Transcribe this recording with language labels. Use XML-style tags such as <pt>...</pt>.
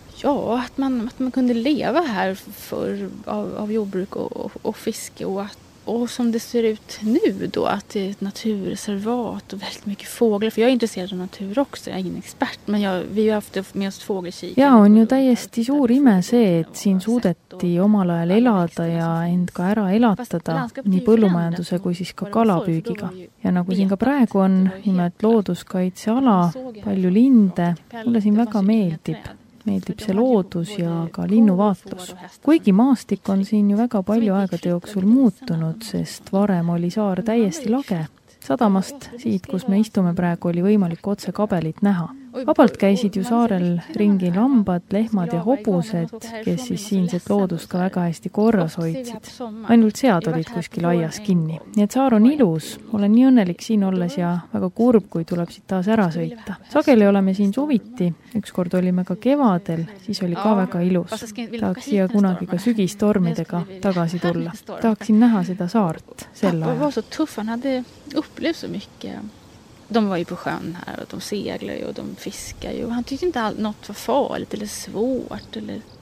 <sv>Ja, et man kunde leva här för av jordbruk och fiske och att och som det ser ut nu då, att det är ett naturreservat och väldigt mycket fåglar. För jag är intresserad av natur också, jag är ingen expert, men vi har haft med oss fågelkikare.</sv> <et>Ja, on ju täiesti suur ime see, et siin suudeti omal ajal elada ja end ka ära elatada nii põllumajanduse kui siis ka kalapüügiga. Ja nagu siin ka praegu on, nimelt looduskaitse ala, palju linde, mulle siin väga meeldib. meeldib see loodus ja ka linnuvaatus. Kuigi maastik on siin ju väga palju aegade jooksul muutunud, sest varem oli saar täiesti lage. Sadamast siit, kus me istume praegu, oli võimalik otse kabelit näha. Vabalt käisid ju saarel ringi lambad, lehmad ja hobused, kes siis siinset loodust ka väga hästi korras hoidsid. Ainult sead olid kuskil aias kinni. Nii et saar on ilus, olen nii õnnelik siin olles ja väga kurb, kui tuleb siit taas ära sõita. Sageli oleme siin suviti, ükskord olime ka kevadel, siis oli ka väga ilus. Tahaks siia kunagi ka sügistormidega tagasi tulla. Tahaksin näha seda saart sel ajal.</et> <sv>Vaasa tuffan, hade upplev so mykje. De var ju på sjön här och de seglar ju och de fiskar ju. Han tyckte inte allt något var farligt eller svårt eller...</sv>